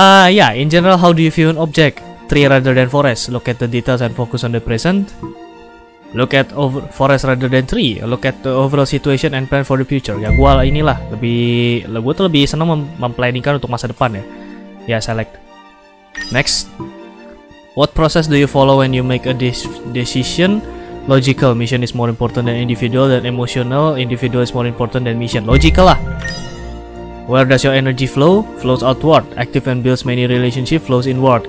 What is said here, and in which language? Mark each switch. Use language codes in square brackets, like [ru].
[en] Ya, in general, how do you view an object? Tree rather than forest. Look at the details and focus on the present. Look at forest rather than tree. Look at the overall situation and plan for the future. [id] Ya, gua inilah lebih senang memplanningkan untuk masa depan ya. [en] Ya, select. Next. What process do you follow when you make a decision? Logical. Mission is more important than individual. Dan emotional. Individual is more important than mission. Logical lah. Where does your energy flow? Flows outward. Active and builds many relationships. Flows inward.